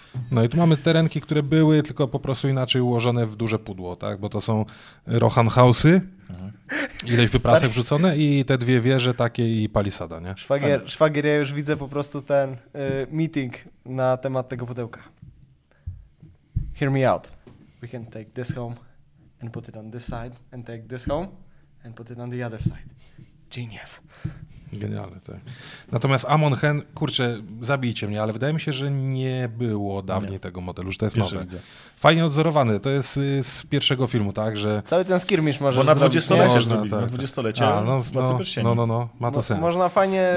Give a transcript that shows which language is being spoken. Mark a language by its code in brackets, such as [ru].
[pl] No i tu mamy terenki, które były tylko po prostu inaczej ułożone w duże pudło, tak? Bo to są Rohan House'y, ileś wyprasek wrzucone i te dwie wieże takie i palisada, nie? Szwagier, ja już widzę po prostu ten meeting na temat tego pudełka. [en] Hear me out. We can take this home and put it on this side and take this home and put it on the other side. Genius. [pl] Genialne, tak. Natomiast Amon Hen, kurczę, zabijcie mnie, ale wydaje mi się, że nie było dawniej tego modelu, że to jest nowe. Fajnie odzorowany, to jest z pierwszego filmu, tak, że... Cały ten skirmisz możesz zrobić. Bo na dwudziestolecie zrobili, tak, na dwudziestolecie. No, ma to sens. Można fajnie.